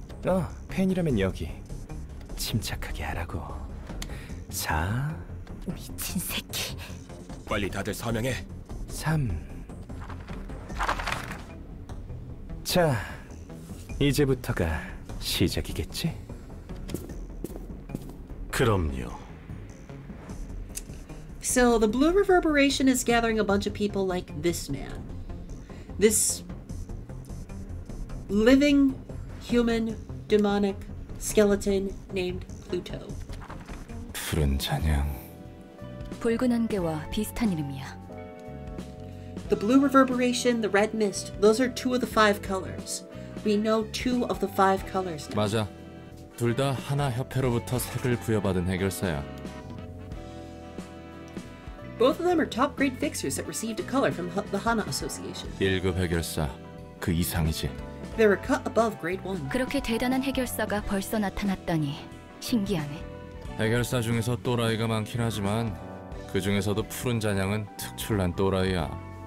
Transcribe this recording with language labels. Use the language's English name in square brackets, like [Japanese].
[Korean] 어, 팬이라면 여기. 침착하게 하라고. 자... 미친 새끼. 빨리 다들 서명해. 3... 자, 이제부터가 시작이겠지? 그럼요. [English] So, the blue reverberation is gathering a bunch of people like this man. This living, human, demonic skeleton named Pluto. [Korean] 푸른 잔향. 붉은 안개와 비슷한 이름이야. [English] The blue reverberation, the red mist, those are two of the five colors. We know two of the five colors now. [Korean] 맞아. 둘 다 하나 협회로부터 색을 부여받은 해결사야. [English] Both of them are top grade fixers that received a color from the Hana Association. [Korean] 1급 해결사, 그 이상이지. [English] They were cut above grade 1. [Korean] 그렇게 대단한 해결사가 벌써 나타났다니, 신기하네. 해결사 중에서 또라이가 많긴 하지만, 그 중에서도 푸른 잔향은 특출난 또라이야.